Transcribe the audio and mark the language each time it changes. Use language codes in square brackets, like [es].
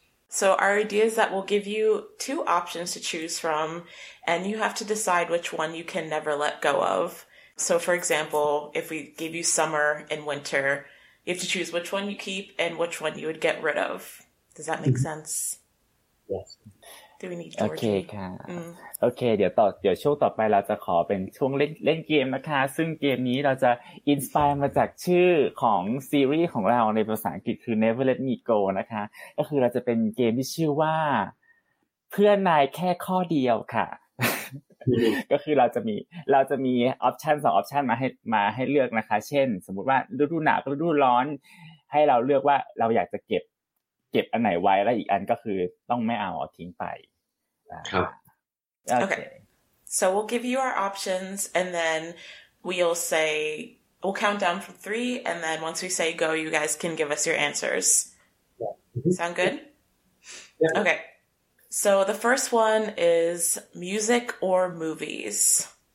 [en] So our idea is that we'll give you two options to choose from, and you have to decide which one you can never let go of. So for example, if we gave you summer and winter, you have to choose which one you keep and which one you would get rid of. Does that make sense? Yes. Do we need George? [th] Okay, ค่ะ okay, เดี๋ยวช่วงต่อไปเราจะขอเป็นช่วงเล่นเกมนะคะซึ่งเกมนี้เราจะ inspire มาจากชื่อของซีรีส์ของเราในภาษาอังกฤษคือ Never Let Me Go นะคะก็คือเราจะเป็นเกมที่ชื่อว่าเพื่อนนายแค่ข้อเดียวค่ะก็คือเราจะมีออปชั่น2ออปชั่นมาให้เลือกนะคะเช่นสมมุติว่าฤดูหนาวกับฤดูร้อนให้เราเลือกว่าเราอยากจะเก็บอันไหนไว้แล้วอีกอันก็คือต้องไม่เอาทิ้งไป ครับ [en] okay. So we'll give you our options and then we'll count down from 3 and then once we say go you guys can give us your answers. Sound good? Yeah. Okay. So the first one is music or movies.